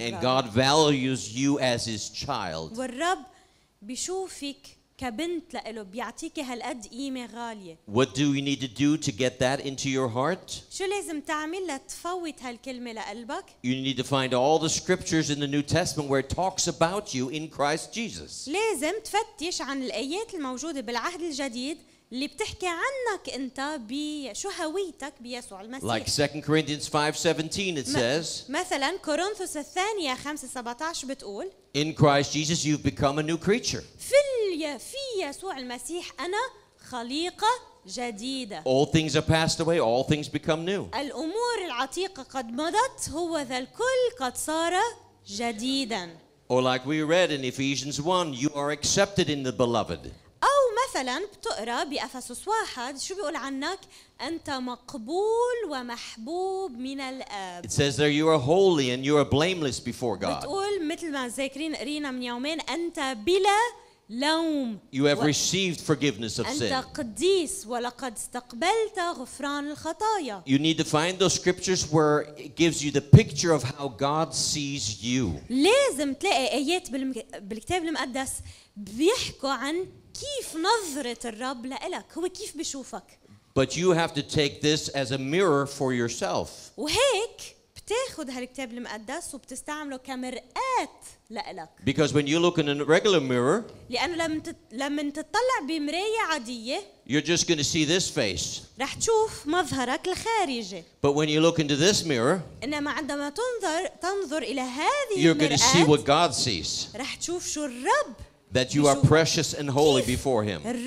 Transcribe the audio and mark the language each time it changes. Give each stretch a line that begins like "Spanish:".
English: And God values you as His child.
Arabic: والرب بيشوفك كبنت لإله، بيعطيك هالقد قيمة غالية.
English: What do you need to do to get that into your heart?
Arabic: شو لازم تعمل لتفوت هالكلمة لقلبك؟
English: You need to find all the scriptures in the New Testament where it talks about you in Christ Jesus.
Arabic: لازم تفتش عن الآيات الموجودة بالعهد الجديد اللي بتحكي عنك أنت بشو هويتك بيسوع المسيح.
English: Like 2 Corinthians 5:17 it says.
Arabic: مثلا كورنثوس الثانية 5:17 بتقول.
English: In Christ Jesus you've become a new creature.
Arabic: في يسوع المسيح أنا خليقة جديدة.
English: All things are passed away, all things become new.
Arabic: الأمور العتيقة قد مضت، هو ذا الكل قد صار جديدا.
English: Or like we read in Ephesians 1, you are accepted in the beloved.
Arabic: أو مثلا بتقرأ بأفسس 1 شو بيقول عنك؟ أنت مقبول ومحبوب من الآب.
English: It says there you are holy and you are blameless before God.
Arabic: بتقول مثل ما ذاكرين قرينا من يومين، أنت بلا لوم.
English: You have received forgiveness of sin.
Arabic: أنت قديس ولقد استقبلت غفران الخطايا.
English: You need to find those scriptures where it gives you the picture of how God sees you.
Arabic: لازم تلاقي آيات بالكتاب المقدس بيحكوا عن كيف نظرة الرب لإلك، هو كيف بيشوفك.
English: But you have to take this as a mirror for yourself.
Arabic: وهيك بتاخد هالكتاب المقدس وبتستعمله كمرآة لإلك.
English: Because when you look in a regular mirror,
Arabic: لأنه لما تطلع بمراية عادية,
English: you're just going to see this face.
Arabic: رح تشوف مظهرك الخارجي.
English: But when you look into this mirror,
Arabic: إنما عندما تنظر إلى هذه المرآة,
English: you're going to see what God sees.
Arabic: رح تشوف شو الرب.
English: That you are precious and holy before Him.